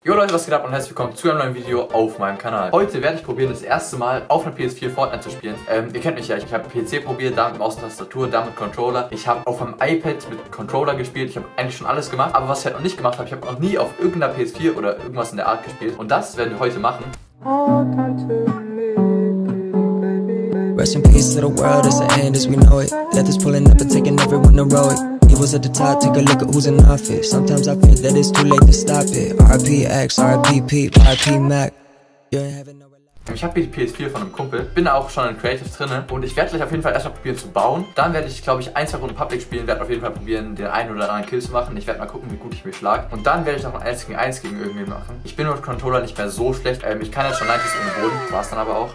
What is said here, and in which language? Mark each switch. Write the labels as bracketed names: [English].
[German] Jo Leute, was geht ab und herzlich willkommen zu einem neuen Video auf meinem Kanal. Heute werde ich probieren, das erste Mal auf der PS4 Fortnite zu spielen. Ihr kennt mich ja, ich habe PC probiert, da mit Maustastatur, da mit Controller. Ich habe auf meinem iPad mit Controller gespielt, ich habe eigentlich schon alles gemacht. Aber was ich halt noch nicht gemacht habe, ich habe noch nie auf irgendeiner PS4 oder irgendwas in der Art gespielt. Und das werden wir heute machen. [English] Rest in peace to the world, it's the end as we know it. Death is pulling up and taking everyone to roll it. It was at the top, take a look at who's in office. Sometimes I feel that it's too late to stop it. RPX, RPP, RP Mac. You're in heaven. [German] Ich habe die PS4 von einem Kumpel, bin auch schon in Creative drinne und ich werde gleich auf jeden Fall erstmal probieren zu bauen. Dann werde ich, glaube ich, ein, zwei Runden Public spielen, werde auf jeden Fall probieren, den einen oder anderen Kill zu machen. Ich werde mal gucken, wie gut ich mich schlage. Und dann werde ich noch ein 1 gegen 1 gegen irgendwen machen. Ich bin mit Controller nicht mehr so schlecht. Ich kann jetzt schon leicht ohne Boden, war es dann aber auch.